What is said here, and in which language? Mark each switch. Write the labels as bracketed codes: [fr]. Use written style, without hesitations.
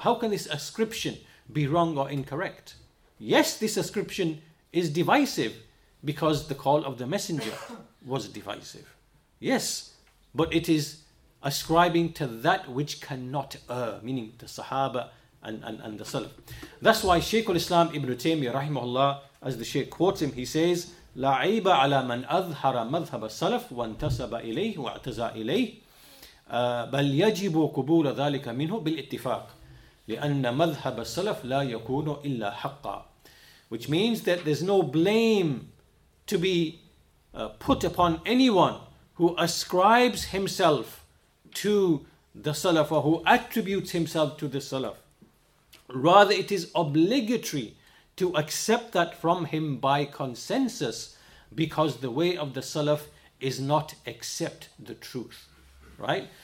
[en] How can this ascription be wrong or incorrect? Yes, this ascription is divisive because the call of the Messenger was divisive. Yes, but it is ascribing to that which cannot err, meaning the Sahaba and the Salaf. That's why Shaykh al-Islam Ibn Taymiyyah rahimahullah, as the Shaykh quotes him, he says, [ar] لَعِيبَ عَلَى مَنْ أَظْهَرَ مَذْهَبَ السَّلَفْ وَانْتَسَبَ إِلَيْهِ وَاعْتَزَى إِلَيْهِ بَلْ يَجِبُ قُبُولَ ذَلِكَ مِنْهُ بِالْإِتِّفَاقِ لِأَنَّ مَذْهَبَ السَّلَفْ لَا يَكُونُ إِلَّا حَقًّا. [en] Which means that there's no blame to be put upon anyone who ascribes himself to the Salaf or who attributes himself to the Salaf. Rather, it is obligatory to accept that from him by consensus, because the way of the Salaf is not accept the truth. Right?